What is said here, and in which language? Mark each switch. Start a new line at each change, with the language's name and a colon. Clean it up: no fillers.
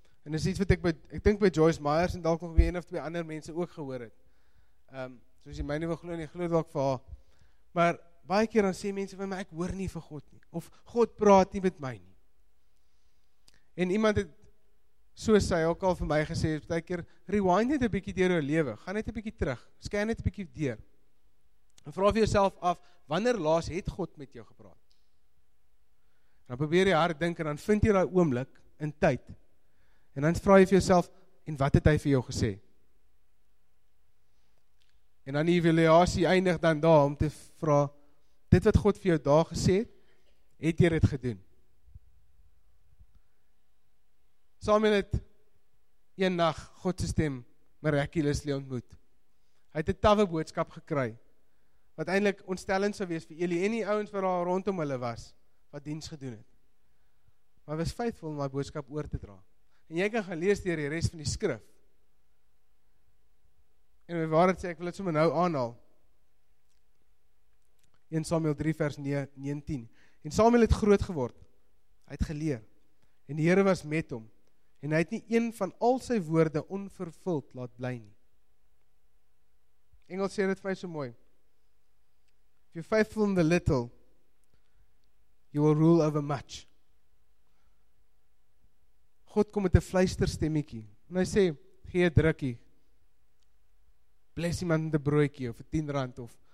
Afrikaans: En dis iets wat ek dink by Joyce Myers en dalk nog by een of twee ander mense ook gehoor het. Soos jy my nie wil glo nie, glo dalk vir haar. Maar baie keer dan sê mense vir my, ek hoor nie vir God nie. Of God praat nie met my nie. En iemand het, soos sy ook al vir my gesê, baie keer, rewind net 'n bietjie deur jou lewe. Gaan net 'n bietjie terug. Scan net 'n bietjie deur. En vraag vir jouself af, wanneer laas het God met jou gepraat? En dan probeer jy hard dink en dan vind jy daai oomblik in tyd. En dan vraag jy vir jouself, en wat het hy vir jou gesê? En dan die evaluasie eindig dan daar om te vra, dit wat God vir jou daar gesê het, het jy dit gedoen? Samuel het een nag Godse stem miraculously ontmoet. Hy het 'n tawe boodskap gekry, wat eintlik ontstellend sou wees vir Eli en die ouens wat daar rondom hulle was, wat diens gedoen het. Maar hy was faithful om daai boodskap oor te dra. En jy kan gaan lees deur die res van die skrif. En my waarheid sê, ek wil dit sommer nou aanhaal. 1 Samuel 3 vers 19. En Samuel het groot geword. Hy het geleer. En die Here was met hom. En hy het nie een van al sy woorde onvervuld laat bly nie. Engels sê dit vir my so mooi.
English: If you're faithful in the little, you will rule over much.
Afrikaans: God kom met 'n fluisterstemmetjie. En hy sê, gee 'n drukkie. Bless iemand met 'n broodjie of 'n R10.